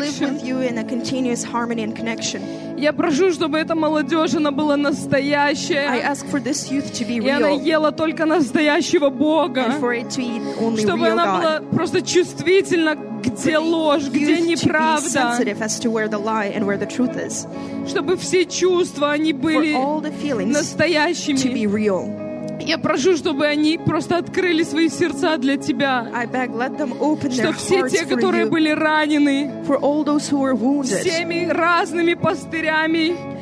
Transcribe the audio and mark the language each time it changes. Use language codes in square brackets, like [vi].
[en] To live with you in a continuous harmony and connection. [ru] Я прошу, чтобы эта молодежь, она была настоящая. [en] I ask for this youth to be real. [ru] И она ела только настоящего Бога. [en] And for it to eat only [ru] чтобы [en] real [ru] она [en] God. [ru] Была просто чувствительна, где ложь, где неправда. [en] To be sensitive as to where the lie and where the truth is. [ru] Чтобы все чувства, они были [en] for all the feelings [ru] настоящими. [en] To be real. [ru] Я прошу, чтобы они просто открыли свои сердца для тебя. [en] I beg, let them open their [ru] чтобы все те, которые были ранены, [en] for all those who were wounded, [ru] всеми разными пастырями,